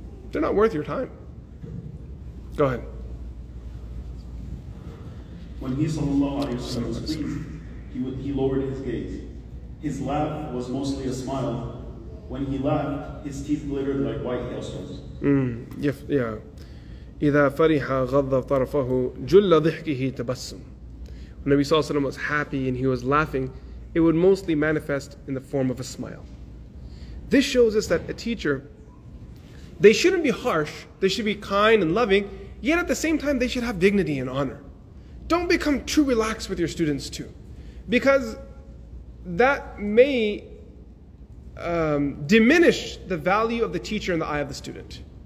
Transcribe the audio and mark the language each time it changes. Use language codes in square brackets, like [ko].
[en] They're not worth your time. Go ahead. When he sallallahu alayhi wa sallam was pleased, he lowered his gaze. His laugh was mostly a smile. When he laughed, his teeth glittered like white hailstones. Yeah. [ar] إذا فرح غض طرفه جل ضحكه تبسم. [en] When Nabi Sallallahu Alaihi Wasallam was happy and he was laughing, it would mostly manifest in the form of a smile. This shows us that a teacher, they shouldn't be harsh, they should be kind and loving, yet at the same time they should have dignity and honor. Don't become too relaxed with your students too, because that may diminish the value of the teacher in the eye of the student.